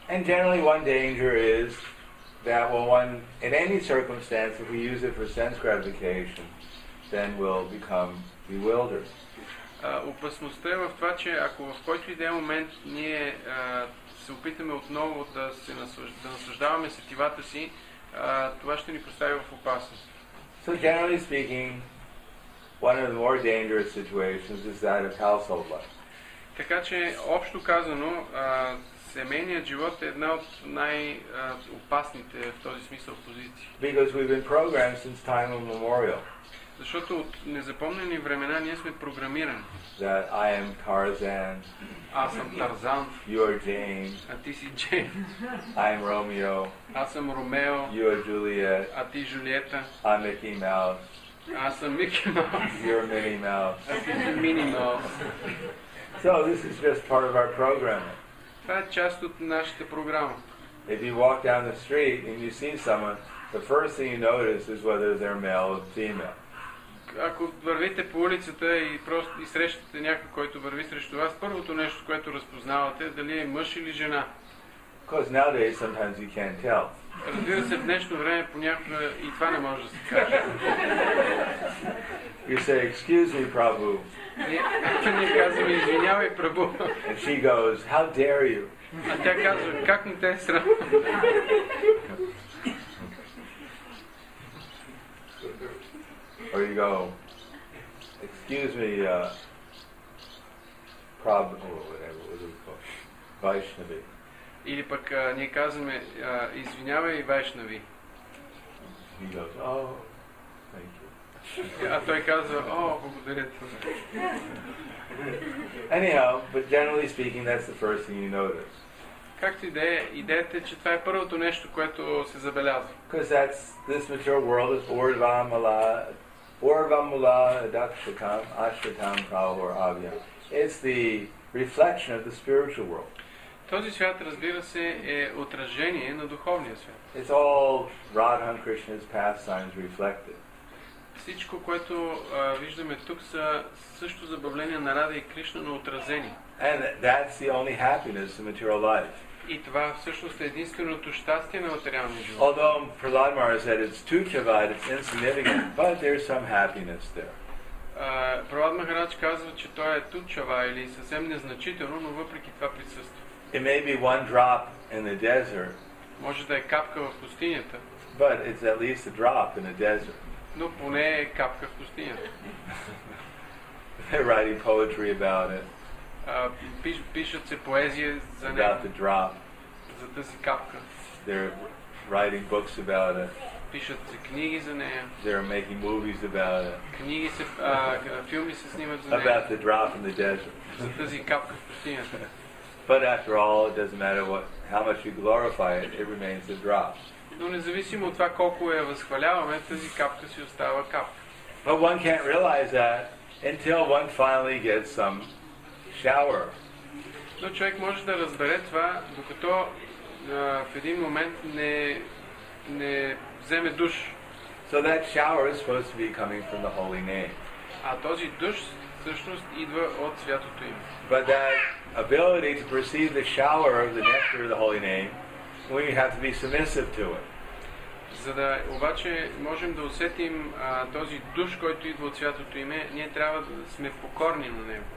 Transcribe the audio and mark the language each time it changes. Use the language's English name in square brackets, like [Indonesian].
[English] And generally one danger is that when one, in any circumstance, if we use it for sense gratification, then we'll become bewildered. [Bulgarian] Опасността е в това, че ако в който и да е момент ние се опитаме отново да се наслаждаваме сетивата си, това ще ни постави в опасност. [English] So generally speaking, one of the more dangerous situations is that of household life. [Bulgarian] Така че общо казано, семейният живот е една от най-опасните в този смисъл позиции. [English] Because we've been programmed since time immemorial. [Bulgarian] Защото от незапомнени времена ние сме програмирани. [English] That I am Tarzan. [Bulgarian] Аз съм Тарзан. [English] You are Jane. [Bulgarian] А ти си Джейн. [English] I am Romeo. [Bulgarian] Аз съм Ромео. [English] You are Juliet. [Bulgarian] А ти Джулиета. [English] I'm Mickey Mouse. [Bulgarian] Аз съм Микки Маус. [English] You're Minnie Mouse. [Bulgarian] А ти си Мини Маус. [English] So this is just part of our programming. [Bulgarian] Това е част от нашата програма. [English] If you walk down the street and you see someone, the first thing you notice is whether they're male or female. [Bulgarian] Ако вървите по улицата и просто срещате някой, който върви срещу вас, първото нещо, което разпознавате, е дали е мъж или жена. [English] Because nowadays sometimes you can't tell. [Bulgarian] Разбира се, в днешно време понякога и това не може да се каже. [English] You say, excuse me, Prabhu. [Bulgarian] Ние казваме, извинявай, Прабу. [English] And she goes, how dare you? [Bulgarian] А тя казва, как не те е срам? [English] Or you go, excuse me, Prabhu, or whatever, what do we call it? Vaishnavi. [Bulgarian] Или пък ние казваме, извинявай, Вайшнави. [English] He goes, oh, thank you. [Bulgarian] А той казва, о, благодаря ти. [English] Anyhow, but generally speaking, that's the first thing you notice. [Bulgarian] Както и да е, идеята е, че това е първото нещо, което се забелязва. [English] Because that's this material world is Urvamala, Urvamala, Dakshakam, Ashvatam, Prahor, Avya. It's the reflection of the spiritual world. [Bulgarian] Този свят, разбира се, е отражение на духовния свят. [English] It's all Radha and Krishna's pastimes reflected. [Bulgarian] Всичко, което виждаме тук, са също забавления на Рада и Кришна, но отразени. [English] And that's the only happiness in material life. [Bulgarian] И това всъщност е единственото щастие на материалния живот. [English] Although Prahlad Maharaj said it's too chavad, it's insignificant, but there's some happiness there. [Bulgarian] Prahlad Maharaj казва, че то е too chavad или съвсем незначително, но въпреки това присъства. [English] It may be one drop in the desert. [Bulgarian] Може да е капка в пустинята. [English] But it's at least a drop in the desert. [Bulgarian] Но поне е капка в пустинята. [English] They're writing poetry about it. [Bulgarian] Пишат се поезия за нея. [English] About the drop. [Bulgarian] За тази капка. [English] They're writing books about it. [Bulgarian] Пишат се книги за нея. [English] They're making movies about it. [Bulgarian] Книги се, филми се снимат за нея. [English] About the drop in the desert. [Bulgarian] За тази капка в пустинята. [English] But after all, it doesn't matter what, how much you glorify it, it remains a drop. [Bulgarian] Но независимо от това колко я възхваляваме, тази капка си остава капка. [English] But one can't realize that until one finally gets some shower. [Bulgarian] Но човек може да разбере това, докато в един момент не вземе душ. [English] So that shower is supposed to be coming from the holy name. [Bulgarian] А този душ всъщност идва от святото име. [English] But that ability to perceive the shower of the nectar of the holy name, we have to be submissive to it. [Bulgarian] За да обаче можем да усетим този душ, който идва от святото име, ние трябва да сме покорни на него.